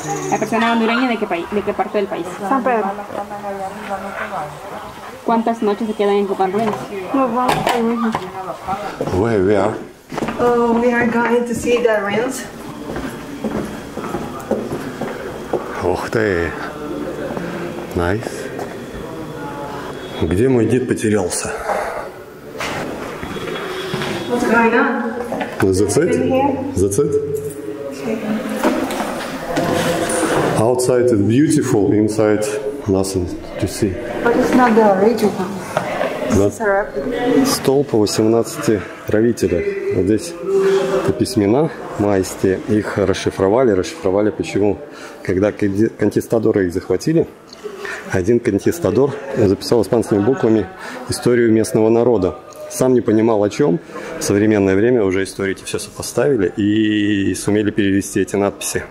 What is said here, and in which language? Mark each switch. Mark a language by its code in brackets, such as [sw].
[es] La persona hondureña, ¿de qué parte del país? San Pedro. ¿Cuántas noches se quedan en Copán Ruins? [en] Where we are? Oh, we are going to see the ruins. [ru] Ух ты! [en] Nice. [ru] Где мой дед потерялся? [en] What's going on? That's it? Outside it's beautiful, inside nothing to see. But it's not the original. It's a replica. [ru] Столб 18 правителей. Вот здесь это письмена майские. Их расшифровали. Расшифровали почему? Когда конкистадоры их захватили, один конкистадор записал испанскими буквами историю местного народа. Сам не понимал о чем. В современное время уже истории эти все сопоставили и сумели перевести эти надписи.